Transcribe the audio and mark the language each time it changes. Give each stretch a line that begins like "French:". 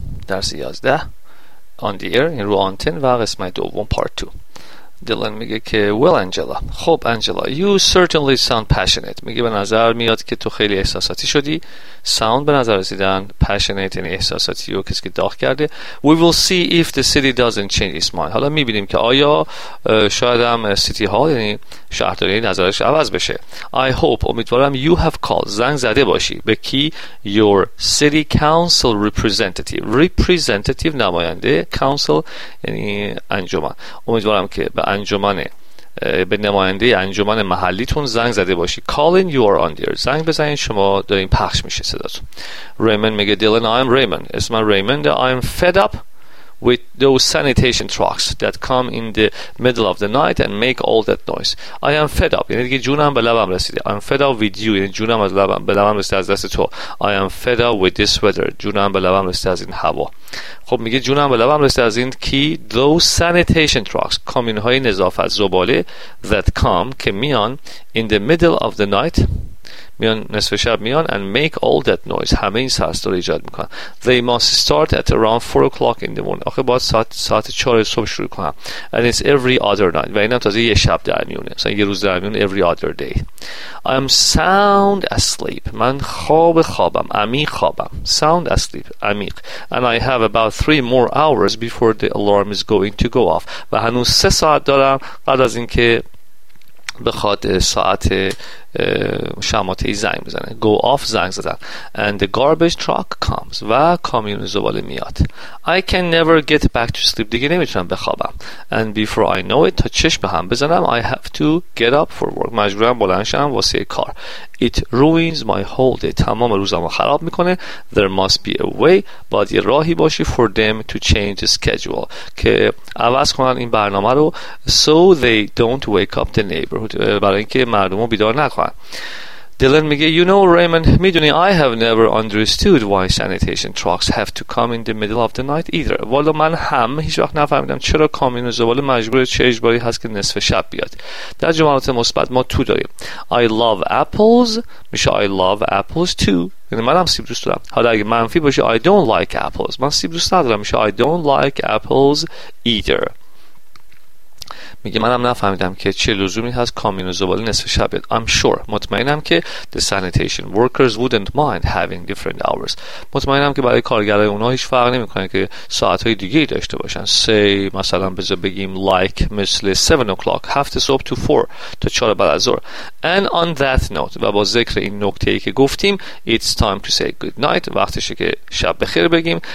Persian: درس 11
English: on the air
Persian: این رو آنتن و قسمت دوم
English: part 2.
Persian: دیلن میگه که
English: well Angela.
Persian: خب
English: Angela, you certainly sound passionate.
Persian: میگه به نظر میاد که تو خیلی احساساتی شدی. Sound به نظر رسیدن passionate یعنی احساساتی و کسی که داغ کرده.
English: We will see if the city doesn't change its mind.
Persian: حالا میبینیم که آیا شاید هم سیتی هال یعنی شهرداری نظرش عوض بشه.
English: I hope
Persian: امیدوارم
English: you have called
Persian: زنگ زده باشی به کی
English: your city council representative.
Persian: Representative نماینده council یعنی انجمن. امیدوارم که به انجمن به نماینده انجمن محلیتون زنگ زده باشی.
English: Calling you are on the air.
Persian: زنگ بزنید شما دارین پخش میشه صداتون. Raymond میگه Dylan
English: I'm Raymond.
Persian: اسم من Raymond.
English: I'm fed up with those sanitation trucks that come in the middle of the night and make all that noise. I am fed up.
Persian: یعنی دیگه جونم به لبم رسیده.
English: I'm fed up with you.
Persian: یعنی جونم از لبم به لبم رسیده از دست تو.
English: I am fed up with this weather.
Persian: جونم به لبم رسیده از این هوا. خب میگه جونم به لبم رسیده از این کی
English: those sanitation trucks
Persian: کامیون های نظافت زباله
English: that come
Persian: که میان
English: in the middle of the night
Persian: میان نصف شب میان
English: and make all that noise
Persian: همه این سر و صدا ایجاد میکنن.
English: They must start at around 4 o'clock in the morning.
Persian: آخه باید ساعت 4 صبح شروع کنن.
English: And it's every other night.
Persian: و اینم تازه یه شب در میونه. مثلا یه روز در میونه
English: every other day. I am sound asleep.
Persian: من خوابم. عمیق خوابم.
English: Sound asleep.
Persian: عمیق.
English: And I have about 3 more hours before the alarm is going to go off.
Persian: و هنوز 3 ساعت دارم قبل از اینکه بخواد ساعت شماته ای زنگ بزنه.
English: Go off
Persian: زنگ زدن.
English: And the garbage truck comes.
Persian: و کامیون زباله میاد.
English: I can never get back to sleep.
Persian: دیگه نمیتونم بخوابم.
English: And before I know it
Persian: تا چشم به هم بزنم
English: I have to get up for work.
Persian: مجبورم بلند شم واسه کار.
English: It ruins my whole day.
Persian: تمام روزم رو خراب میکنه.
English: There must be a way.
Persian: باید یه راهی باشی
English: for them to change the schedule.
Persian: که عوض کنن این برنامه رو
English: so they don't wake up the neighborhood.
Persian: برای اینکه مردم رو بیدار نکنن.
English: Dylan
Persian: میگه
English: you know Raymond
Persian: میدونی
English: I have never understood why sanitation trucks have to come in the middle of the night either.
Persian: والا من هم هیچ وقت نفهمیدم چرا کامیون زباله مجبور چه اجباری هست که نصف شب بیاد. در جملات مثبت ما تو داریم.
English: I love apples
Persian: میشه
English: I love apples too.
Persian: یعنی من هم سیب دوست دارم. حالا اگه منفی باشه
English: I don't like apples
Persian: من سیب دوست ندارم میشه
English: I don't like apples either.
Persian: میگه منم نفهمیدم که چه لزومی هست کامیون زباله نصف شب بیاد.
English: I'm sure
Persian: مطمئنم که
English: the sanitation workers wouldn't mind having different hours.
Persian: مطمئنم که برای کارگرای اونها هیچ فرق نمیکنه که ساعت‌های دیگه‌ای داشته باشن. Say مثلا بذار بگیم like مثل 7 o'clock 7 صبح to 4 تا 4 بعد از ظهر.
English: And on that note
Persian: و با ذکر این نکته‌ای که گفتیم
English: it's time to say good night
Persian: وقتشه که شب بخیر بگیم.